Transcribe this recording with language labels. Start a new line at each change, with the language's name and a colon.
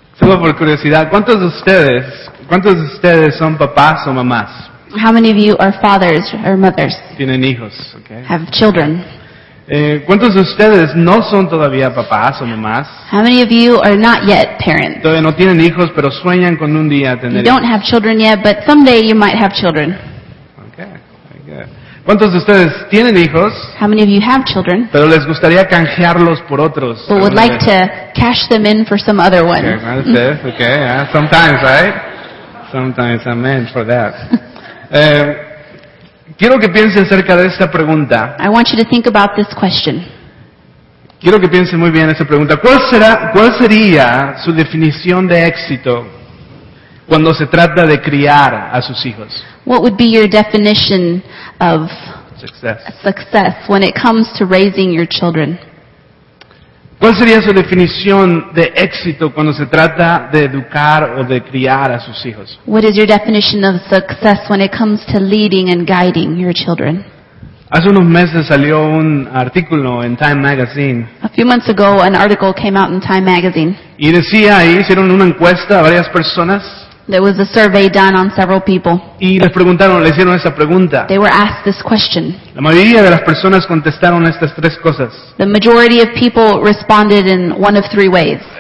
Spanish: Solo por curiosidad, ¿cuántos de ustedes son papás o mamás?
English: How many of you are fathers or mothers?
Spanish: Tienen hijos, okay.
English: Have children.
Spanish: ¿Cuántos de ustedes no son todavía papás o mamás?
English: How many of you are not yet parents?
Spanish: Todavía no tienen hijos, pero sueñan con un día tener hijos.
English: You don't have children yet, but someday you might have children. Okay, very good.
Spanish: ¿Cuántos de ustedes tienen hijos?
English: How many of you have children?
Spanish: Pero les gustaría canjearlos por otros.
English: But would like to cash them in for some other one. Okay, yeah. Sometimes, right? Sometimes, amen for that.
Spanish: Quiero que piensen acerca de esta pregunta.
English: I want you to think about this question.
Spanish: Quiero que piensen muy bien esa pregunta. ¿Cuál sería su definición de éxito cuando se trata de criar a sus hijos?
English: What would be your definition of success when it comes to raising your children?
Spanish: ¿Cuál sería su definición de éxito cuando se trata de educar o de criar a sus hijos?
English: What is your definition of success when it comes to leading and guiding your children?
Spanish: Hace unos meses salió un artículo en Time Magazine.
English: A few months ago, an article came out in Time Magazine.
Spanish: Y decía ahí, hicieron una encuesta a varias personas.
English: There was a survey done on several people.
Spanish: Y les preguntaron, le hicieron esa pregunta.
English: They were asked this question.
Spanish: La mayoría de las personas contestaron estas tres cosas.
English: The majority of people responded in one of three ways.